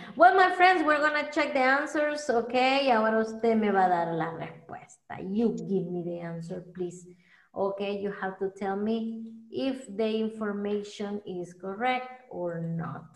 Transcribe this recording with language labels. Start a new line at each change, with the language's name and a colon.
English: Well, my friends, we're going to check the answers, okay?
Spanish: Ahora usted me va a dar la respuesta.
English: You give me the answer, please. Okay, you have to tell me if the information is correct or not.